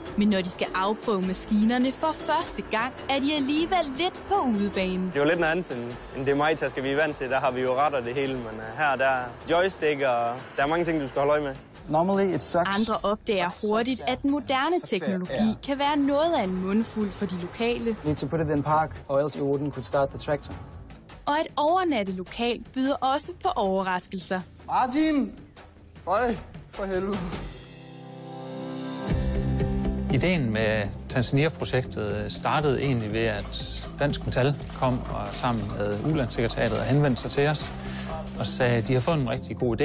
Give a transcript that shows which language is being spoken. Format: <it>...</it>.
<da>Men når de skal afprøve maskinerne for første gang, er de alligevel lidt på udebanen. Det er jo lidt noget andet end det majtaske, vi er vant til. Der har vi jo retter det hele, men her der joystick, og der er mange ting, du skal holde øje med.</da> <en>Normally it sucks.</en> <da>Andre opdager hurtigt, at den moderne teknologi kan være noget af en mundfuld for de lokale.</da> <en>Need to put it in park, or else you wouldn't could start the tractor.</en> <da>Og at overnatte lokalt byder også på overraskelser. Martin! Føj, for helvede. Ideen med Tanzania-projektet startede egentlig ved, at Dansk Metal kom og sammen med Ulandssekretariatet og henvendte sig til os og sagde, at de havde fundet en rigtig god idé.</da>